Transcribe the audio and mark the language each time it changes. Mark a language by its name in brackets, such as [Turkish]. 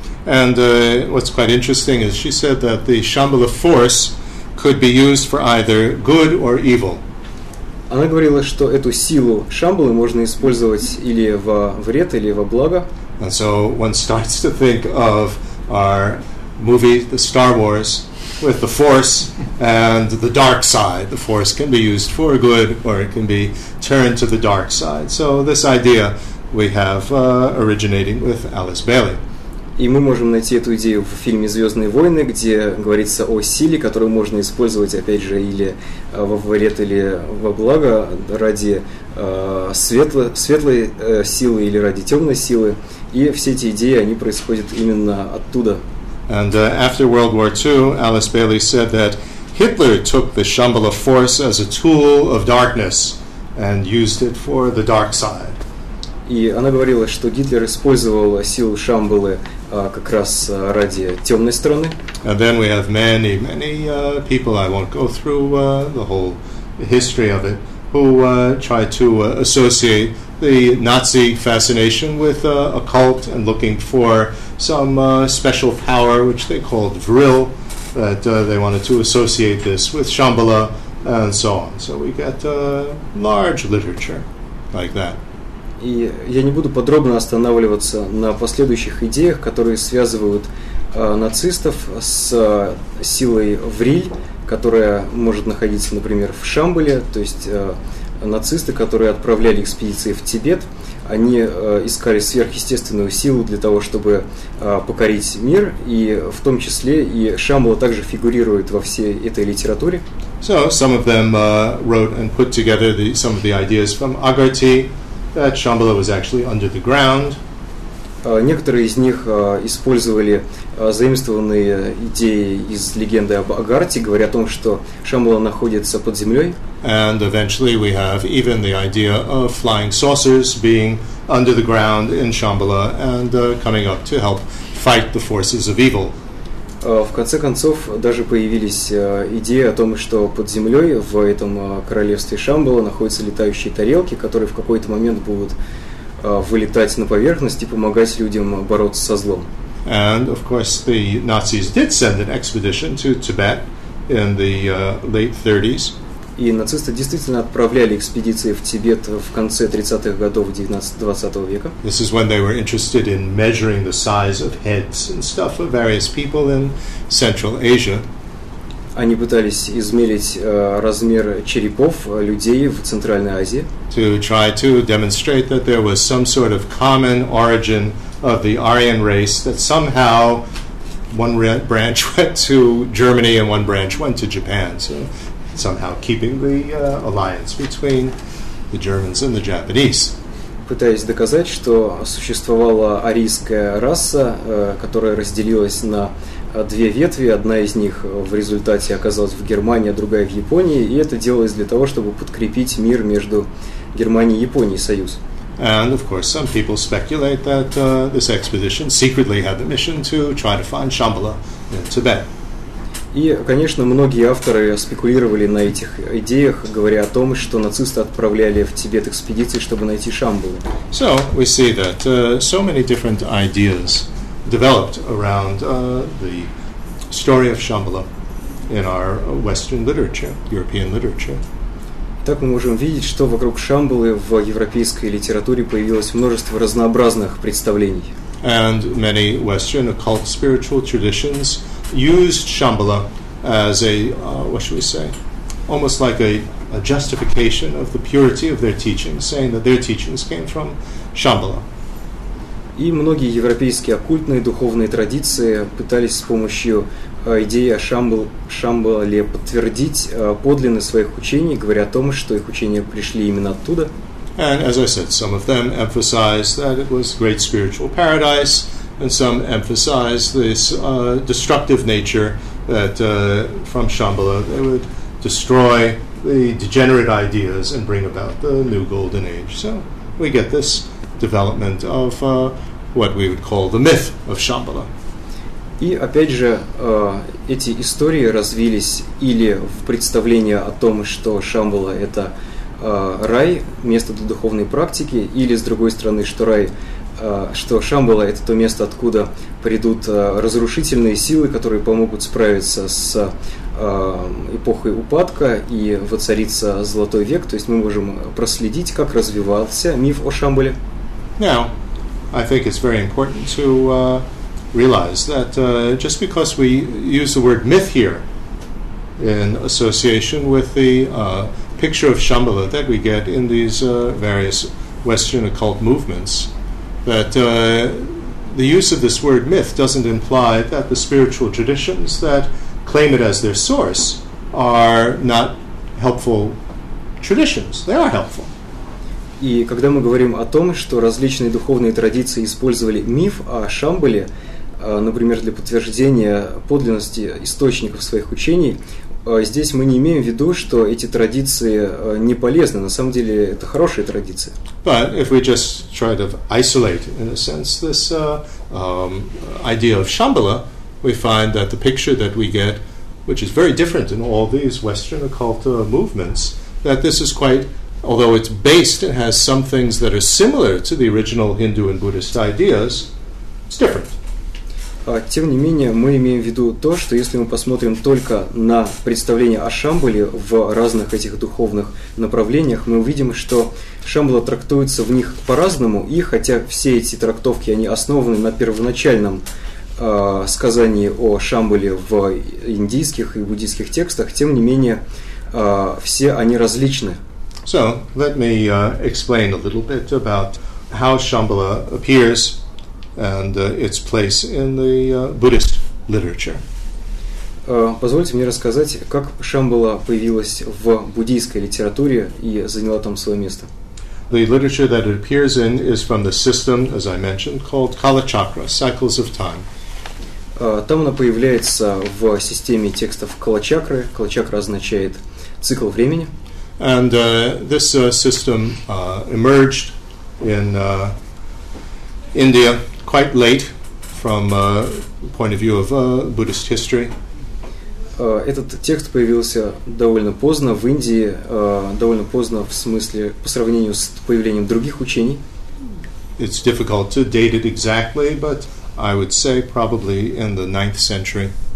[English] And what's quite interesting is she said that the Shambhala force could be used for either good or evil. [Russian] Она говорила, что эту силу Шамбалы можно использовать или во вред, или во благо. [English] And so one starts to think of our movie, the Star Wars, with the Force and the dark side. The Force can be used for good or it can be turned to the dark side. So this idea we have originating with Alice Bailey. [Russian] И мы можем найти эту идею в фильме «Звездные войны», где говорится о силе, которую можно использовать, опять же, или во вред, или во благо, ради светлой силы или ради темной силы. И все эти идеи, они происходят именно оттуда. [English] And after World War II, Alice Bailey said that Hitler took the Shambhala force as a tool of darkness and used it for the dark side. [Russian] И она говорила, что Гитлер использовал силу Шамбалы как раз ради темной стороны. [English] And then we have many, many people, I won't go through the whole history of it, who try to associate the Nazi fascination with occult and looking for some special power, which they called Vril, that they wanted to associate this with Shambhala and so on. So we get large literature like that. [Russian] И я не буду подробно останавливаться на последующих идеях, которые связывают нацистов с силой Вриль, которая может находиться, например, в Шамбале. То есть нацисты, которые отправляли экспедиции в Тибет, они искали сверхъестественную силу для того, чтобы покорить мир, и в том числе и Шамбала также фигурирует во всей этой литературе. [English] So some of them wrote and put together some of the ideas from Agarty, that Shambhala was actually under the ground. [Russian] Некоторые из них использовали заимствованные идеи из легенды об Агарте, говоря о том, что Шамбала находится под землей. [English] And eventually we have even the idea of flying saucers being under the ground in Shambhala and coming up to help fight the forces of evil. [Russian] В конце концов, даже появились идеи о том, что под землей в этом королевстве Шамбала находятся летающие тарелки, которые в какой-то момент будут вылетать на поверхность и помогать людям бороться со злом. [English] And, of course, the Nazis did send an expedition to Tibet in the late 30s. [Russian] И нацисты действительно отправляли экспедиции в Тибет в конце 30-х годов 19-20 века. [English] This is when they were interested in measuring the size of heads and stuff of various people in Central Asia. [Russian] Они пытались измерить размер черепов людей в Центральной Азии. [English] To try to demonstrate that there was some sort of common origin of the Aryan race, that somehow one branch went to Germany and one branch went to Japan. So somehow keeping the alliance between the Germans and the Japanese. [Russian] Пытаясь доказать, что существовала арийская раса, которая разделилась на две ветви, одна из них в результате оказалась в Германии, а другая в Японии, и это делалось для того, чтобы подкрепить мир между Германией и Японией, союз. [English] And of course, some people speculate that this expedition secretly had the mission to try to find Shambhala in Tibet. [Russian] И, конечно, многие авторы спекулировали на этих идеях, говоря о том, что нацисты отправляли в Тибет экспедиции, чтобы найти Шамбалу. [English] So we see that so many different ideas developed around the story of Shambhala in our Western literature, European literature. [Russian] Так мы можем видеть, что вокруг Шамбалы в европейской литературе появилось множество разнообразных представлений. [English] And many Western occult spiritual traditions used Shambhala as a, what should we say, almost like a justification of the purity of their teachings, saying that their teachings came from Shambhala. [Russian] И многие европейские оккультные духовные традиции пытались с помощью идеи о Шамбале подтвердить подлинность своих учений, говоря о том, что их учения пришли именно оттуда. [English] And as I said, some of them emphasized that it was great spiritual paradise, and some emphasize this destructive nature that from Shambhala they would destroy the degenerate ideas and bring about the new golden age. So we get this development of what we would call the myth of Shambhala. [Russian] И опять же, эти истории развились или в представление о том, что Шамбала – это рай, место для духовной практики, или, с другой стороны, что рай – что Шамбала – это то место, откуда придут разрушительные силы, которые помогут справиться с эпохой упадка и воцарится Золотой век. То есть мы можем проследить, как развивался миф о Шамбале. [English] Now, I think it's very important to realize that just because we use the word myth here in association with the picture of Shambhala that we get in these various Western occult movements, that the use of this word myth doesn't imply that the spiritual traditions that claim it as their source are not helpful traditions. They are helpful. [Russian] И когда мы говорим о том, что различные духовные традиции использовали миф о Шамбале, например, для подтверждения подлинности источников своих учений, здесь мы не имеем в виду, что эти традиции не полезны. На самом деле, это хорошие традиции. [English] But if we just try to isolate, in a sense, this idea of Shambhala, we find that the picture that we get, which is very different in all these Western occult movements, that this is quite, although it's based, it has some things that are similar to the original Hindu and Buddhist ideas, it's different. [Russian] Тем не менее, мы имеем в виду то, что если мы посмотрим только на представление о Шамбале в разных этих духовных направлениях, мы увидим, что Шамбала трактуется в них по-разному, и хотя все эти трактовки, они основаны на первоначальном сказании о Шамбале в индийских и буддийских текстах, тем не менее, все они различны. [English] So, let me explain a little bit about how Shambhala appears and its place in the Buddhist literature. [Russian] Позвольте мне рассказать, как Шамбала появилась в буддийской литературе и заняла там свое место. [English] The literature that it appears in is from the system, as I mentioned, called Kalachakra, cycles of time. [Russian] Там она появляется в системе текстов Калачакры. Калачакра означает цикл времени. [English] And this system emerged in India quite late from the point of view of Buddhist history. [Russian] Этот текст появился довольно поздно в Индии, довольно поздно в смысле по сравнению с появлением других учений. [English] It's difficult to date it exactly, but I would say probably in the 9th century.